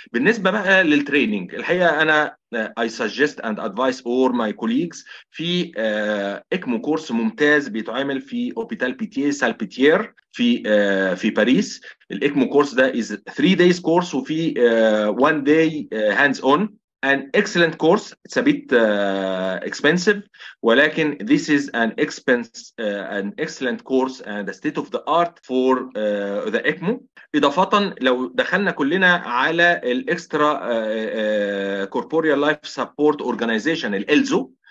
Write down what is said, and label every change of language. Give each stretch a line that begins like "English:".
Arabic: بالنسبة بقى للتريننج، الحقيقة أنا
English: I suggest and advise all my colleagues
Arabic: في ECMO كورس ممتاز بيتعامل في Hôpital Pitié Salpêtrière في باريس. الECMO كورس ده
English: is 3 days course
Arabic: وفي
English: one day hands-on. An excellent course. It's a bit expensive,
Arabic: ولكن
English: this is an an excellent course and a state of the art for the ECMO.
Arabic: إضافة لو دخلنا كلنا على الإكسترا كوربوريال لايف سبورت أورجانيزيشن الإلزو،